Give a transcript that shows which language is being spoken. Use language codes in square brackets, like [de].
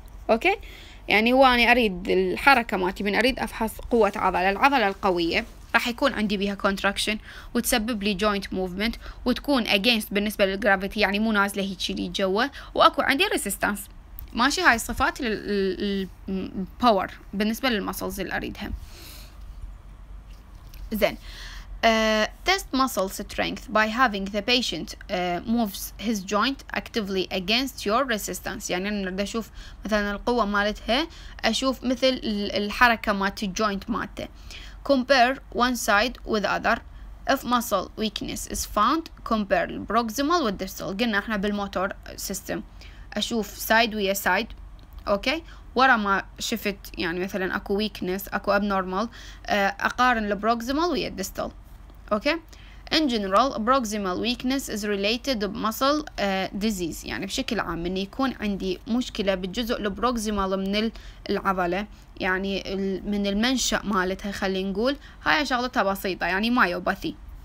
[ar] أوكي يعني هو أنا أريد الحركة ماتي من أريد أفحص قوة عضلة العضلة القوية راح يكون عندي بها contraction وتسبب لي joint movement وتكون against بالنسبة للgravity يعني مو نازلة هيجي لي جوا وأكو عندي resistance. ماشي هاي الصفات للpower بالنسبة للmuscles اللي أريدها. [en] then test muscle strength by having the patient moves his joint actively against your resistance. [ar] يعني أنا بدي أشوف مثلا القوة مالتها أشوف مثل الحركة مالت joint مالته. [en] Compare one side with other. If muscle weakness is found, compare the proximal with distal. [ar] قلنا احنا بالموتور سيستم اشوف سايد ويا سايد. اوكي ورا ما شفت يعني مثلا اكو weakness اكو abnormal اقارن البروكسيمال ويا الدستال. [en] Okay in general proximal weakness is related to muscle disease. [ar] يعني بشكل عام ان يكون عندي مشكلة بالجزء البروكسيمال من العضلة يعني من المنشأ مالتها خلينا نقول هاي شغلتها بسيطة يعني مايوباثي.